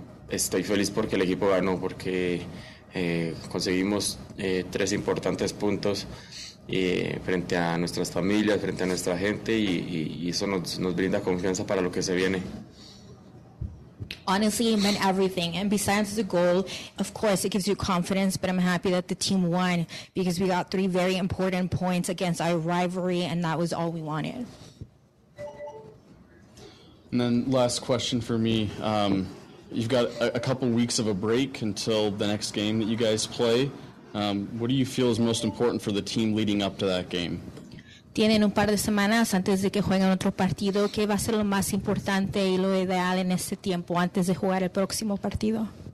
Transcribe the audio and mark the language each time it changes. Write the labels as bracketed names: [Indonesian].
[Spanish] Estoy feliz porque el equipo ganó, porque conseguimos tres importantes puntos frente a nuestras familias, frente a nuestra gente, y eso nos brinda confianza para lo que se viene. [English] Honestly, it meant everything. And besides the goal, of course, it gives you confidence, but I'm happy that the team won because we got three very important points against our rivalry, and that was all we wanted. And then last question for me. You've got a couple weeks of a break until the next game that you guys play. What do you feel is most important for the team leading up to that game? [Spanish] Tienen un par de semanas antes de que jueguen otro partido. ¿Qué va a ser lo más importante y lo ideal en este tiempo antes de jugar el próximo partido?